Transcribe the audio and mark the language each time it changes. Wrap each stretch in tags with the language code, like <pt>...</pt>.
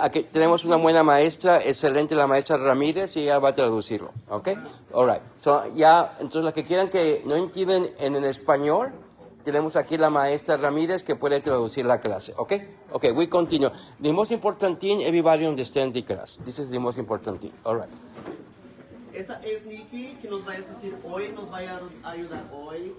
<es>Tenemos una buena maestra, excelente, la maestra Ramírez, y ella va a traducirlo. ¿Ok?</es> <en>All right.</en> <es>So, ya, entonces, las que quieran que no entiendan en español, tenemos aquí la maestra Ramírez que puede traducir la clase.</es> <en>¿Ok? Ok, we continue. The most important thing, everybody understand the class. This is the most important thing. All right.</en> <es>Esta es Nikki, que nos va a asistir hoy, nos va a ayudar hoy.</es>